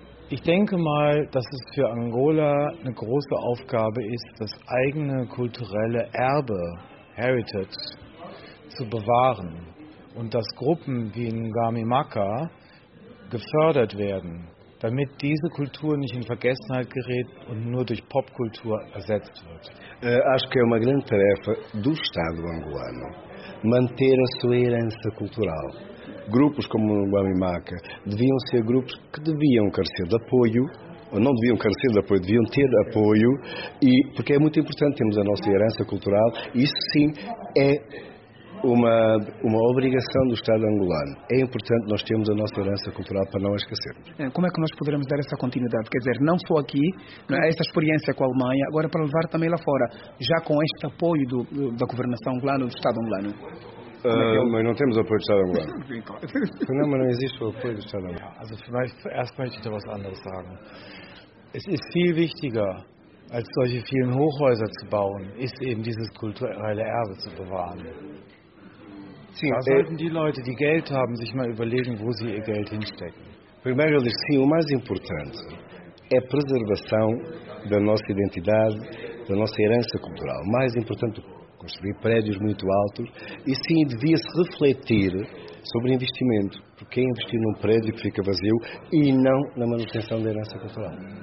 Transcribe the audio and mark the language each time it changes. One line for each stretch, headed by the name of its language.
German: Ich denke mal, dass es für Angola eine große Aufgabe ist, das eigene kulturelle Erbe, Heritage, zu bewahren und dass Gruppen wie in Wami Maka gefördert werden, damit diese Kultur nicht in Vergessenheit gerät und nur durch Popkultur ersetzt wird.
Portuguese: Acho que é uma grande tarefa do Estado angolano manter a sua herança cultural. Grupos como o Wami Maka deviam ser grupos que deviam carecer de apoio, ou não deviam carecer de apoio, deviam ter apoio, e, porque é muito importante, temos a nossa herança cultural, e isso sim é uma obrigação do Estado angolano. É importante nós termos a nossa herança cultural para não a esquecermos. Como é que nós poderemos dar essa continuidade? Quer dizer, não só aqui, esta experiência com a Alemanha, agora para levar também lá fora, já com este apoio da governação angolana, do Estado angolano? Mas não temos apoio do Estado angolano. Não, mas não existe o apoio do Estado angolano.
German: Also, erst möchte ich da was anderes sagen. Es ist viel wichtiger, als solche vielen Hochhäuser zu bauen, ist eben dieses kulturelle Erbe zu bewahren. Sim, da sollten die Leute, die Geld haben, sich mal überlegen, wo sie ihr Geld hinstecken.
Portuguese: Primeiro, eu disse, sim, o mais importante é a preservação da nossa identidade, da nossa herança cultural. O mais importante construir prédios muito altos, e sim, devia-se refletir sobre investimento, porque é investir num prédio que fica vazio e não na manutenção da herança cultural.